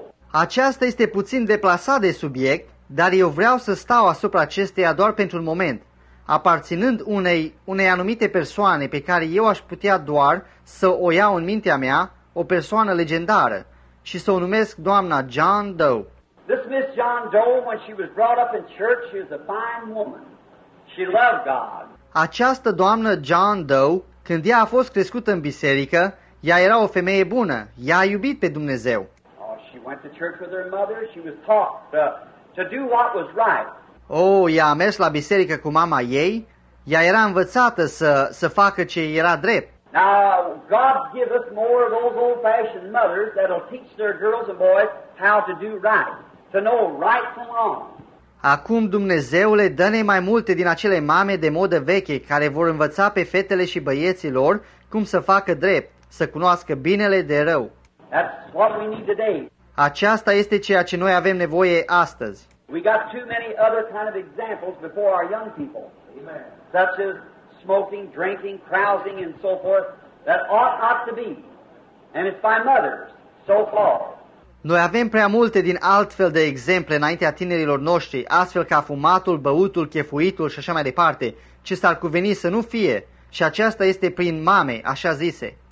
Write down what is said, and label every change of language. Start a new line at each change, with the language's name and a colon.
Romanian: Aceasta este puțin deplasat de subiect, dar eu vreau să stau asupra acesteia doar pentru un moment, aparținând unei anumite persoane pe care eu aș putea doar să o iau în mintea mea, o persoană legendară, și să o numesc doamna John Doe.
English: This Miss John Doe, when she was brought up in church, she was a fine woman. She loved God.
Romanian: Această doamnă John Doe, când ea a fost crescută în biserică, ea era o femeie bună. Ea a iubit pe Dumnezeu.
English: Oh, she went to church with her mother. She was taught to do what was right.
Romanian: Oh, ea a mers la biserică cu mama ei, ea era învățată să facă ce era drept.
English: Now, God give us more of those old-fashioned mothers that'll teach their girls and boys how to do right, to know right from wrong.
Romanian: Acum, Dumnezeule, dă-ne mai multe din acele mame de modă veche care vor învăța pe fetele și băieții lor cum să facă drept, să cunoască binele de rău.
English: That's what we need today.
Romanian: Aceasta este ceea ce noi avem nevoie astăzi.
English: We got too many other kind of examples before our young people, such as smoking, drinking, carousing, and so forth, that ought not to be, and it's by mothers, so far.
Romanian: Noi avem prea multe din altfel de exemple înaintea tinerilor noștri, astfel ca fumatul, băutul, chefuitul și așa mai departe, ce s-ar cuveni să nu fie, și aceasta este prin mame, așa zise.